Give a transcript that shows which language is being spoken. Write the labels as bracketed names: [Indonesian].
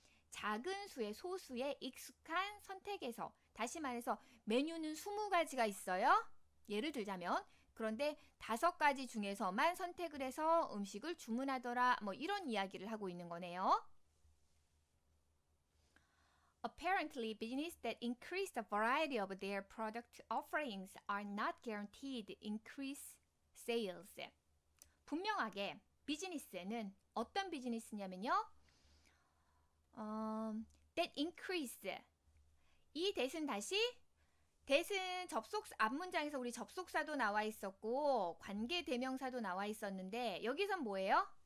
[Korean] 작은 수의 소수의 익숙한 선택에서. 다시 말해서 메뉴는 20가지가 있어요. 예를 들자면 그런데 5가지 중에서만 선택을 해서 음식을 주문하더라. 뭐 이런 이야기를 하고 있는 거네요. [English] Apparently, businesses that increase the variety of their product offerings are not guaranteed increase sales. [Korean] 분명하게 비즈니스는 어떤 비즈니스냐면요. [English] That increase. [Korean] 이 대신 다시 대신 접속사 앞 문장에서 우리 접속사도 나와 있었고 관계 대명사도 나와 있었는데 여기선 뭐예요?